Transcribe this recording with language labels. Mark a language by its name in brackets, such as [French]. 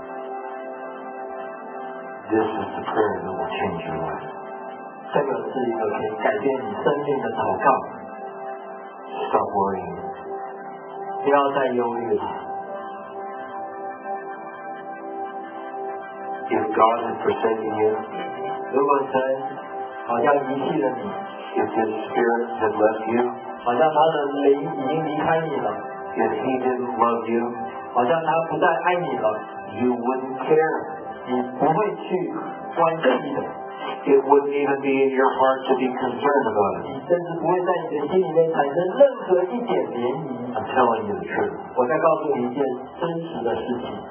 [English] This is the prayer that will change your life. [Chinese] 这个是一个可以改变你生命的祷告。 [English] Stop worrying. [Chinese] 不要再忧虑了。 [English] If God has forsaken you, [Chinese] 如果神好像遗弃了你， [English] if His Spirit has left you, [Chinese] 好像他的灵已经离开你了， [English] if He didn't love you, [Chinese] 好像他不再爱你了， [English] you wouldn't care, [Chinese] 你不会去关心你的。 [English] It wouldn't even be in your heart to be concerned about it. [Chinese] 你甚至不会在你的心里面产生任何一点涟漪。 [English] I'm telling you the truth. [Chinese] 我在告诉你一件真实的事情。